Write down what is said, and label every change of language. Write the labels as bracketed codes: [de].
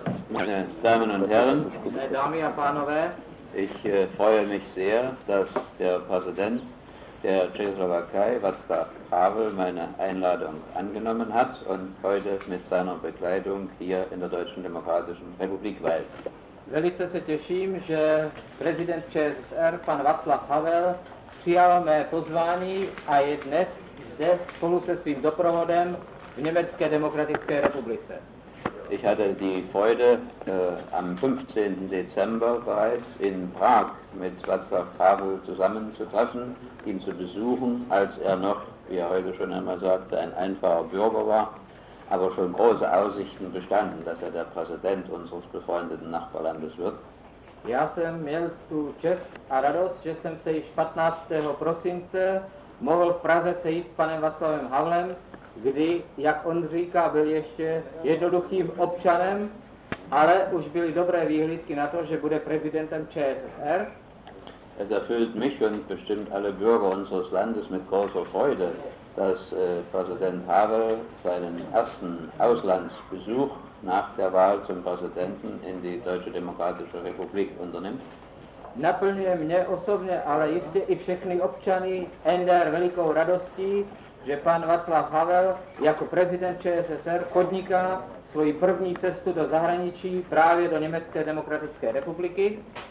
[de] Meine Damen und Herren, ich freue mich sehr, dass der Präsident der Tschechoslowakei, Václav Havel, meine Einladung angenommen hat und heute mit seiner Begleitung hier in der Deutschen Demokratischen Republik weilt. [cs] Velice se těším, že prezident ČSR, pan Václav Havel, přijal mé pozvání a je dnes zde spolu se svým doprovodem v Německé demokratické republice. [de] Ich hatte die Freude, am 15. Dezember bereits in Prag mit Václav Havel zusammenzutreffen, ihn zu besuchen, als er noch, wie er heute schon einmal sagte, ein einfacher Bürger war, aber schon große Aussichten bestanden, dass er der Präsident unseres befreundeten Nachbarlandes wird. [cs] Já jsem měl tu čest a radost, že jsem se již 15. prosince mohl v Praze sejít s panem Václavem Havlem, kdy, jak on říká, byl ještě jednoduchým občanem, ale už byly dobré výhlídky na to, že bude prezidentem ČSR. [de] Es erfüllt mich und bestimmt alle Bürger unseres Landes mit großer Freude, dass Präsident Havel seinen ersten Auslandsbesuch nach der Wahl zum Präsidenten in die Deutsche Demokratische Republik unternimmt. [cs] Naplňuje mě osobně, ale jistě i všechny občany NDR velikou radostí, že pan Václav Havel jako prezident ČSSR podniká svoji první cestu do zahraničí právě do Německé demokratické republiky.